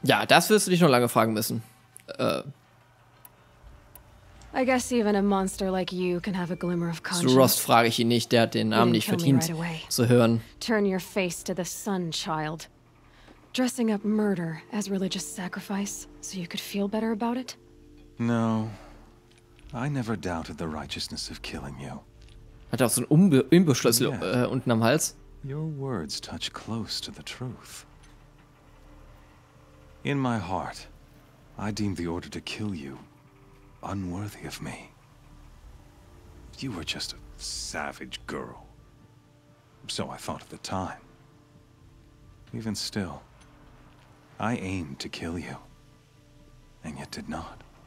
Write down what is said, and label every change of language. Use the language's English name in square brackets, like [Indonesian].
[German] Ja, das wirst du dich noch lange fragen müssen. [English] I guess even a monster like you can have a glimmer of conscience. [German] Zu Rost frage ich ihn nicht, der hat den Namen nicht verdient zu hören. [English] Turn your face to the sun, child. Dressing up murder as religious sacrifice so you could feel better about it? No. I never doubted the righteousness of killing you. [German] Hat auch so einen Imbusschlüssel unten am Hals. [English] Your words touch close to the truth. In my heart, I deemed the order to kill you unworthy of me. You were just a savage girl. So I thought at the time. Even still, I aimed to kill you, and yet did not.